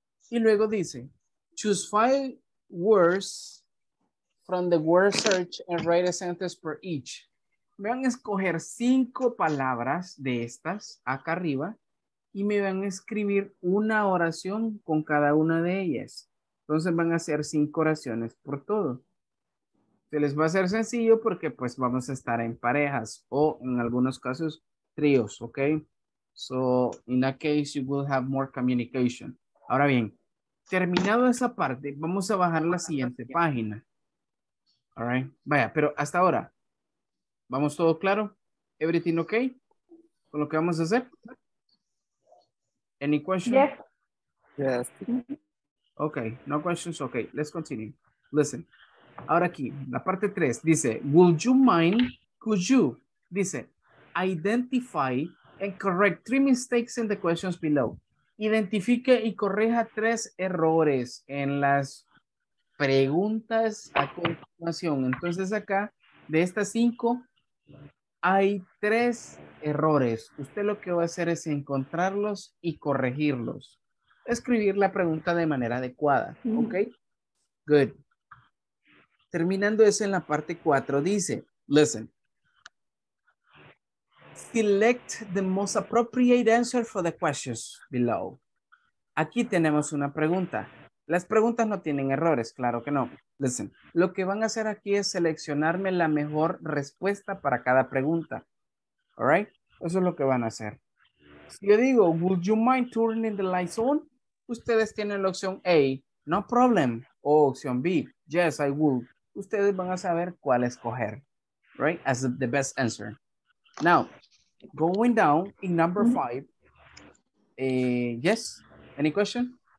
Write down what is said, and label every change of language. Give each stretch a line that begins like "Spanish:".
Spanish: Y luego dice,
English: choose 5 words from the word search and write a sentence for each.
Spanish: Me van a escoger 5 palabras de estas acá arriba y me van a escribir una oración con cada una de ellas. Entonces van a hacer 5 oraciones por todo. Se les va a hacer sencillo porque pues vamos a estar en parejas o en algunos casos tríos, ok?
English: So, in that case, you will have more communication.
Spanish: Ahora bien, terminado esa parte, vamos a bajar la siguiente página.
English: All right?
Spanish: Vaya, pero hasta ahora, ¿vamos todo claro?
English: Everything okay?
Spanish: ¿Con lo que vamos a hacer?
English: Any questions? Yes. Yes. Okay, no questions, okay. Let's continue. Listen,
Spanish: ahora aquí, la parte 3, dice,
English: would you mind, could you, dice, identify and correct 3 mistakes in the questions below.
Spanish: Identifique y corrija 3 errores en las preguntas a continuación. Entonces acá, de estas 5, hay 3 errores. Usted lo que va a hacer es encontrarlos y corregirlos. Escribir la pregunta de manera adecuada. Ok. Good. Terminando eso en la parte 4, dice, listen.
English: Select the most appropriate answer for the questions below.
Spanish: Aquí tenemos una pregunta. Las preguntas no tienen errores, claro que no. Listen, lo que van a hacer aquí es seleccionarme la mejor respuesta para cada pregunta.
English: All right?
Spanish: Eso es lo que van a hacer. Si yo digo,
English: would you mind turning the lights on?
Spanish: Ustedes tienen la opción A,
English: no problem.
Spanish: O opción B,
English: yes, I will.
Spanish: Ustedes van a saber cuál escoger. Right?
English: As the best answer. Now, going down in number 5. Yes? Any question?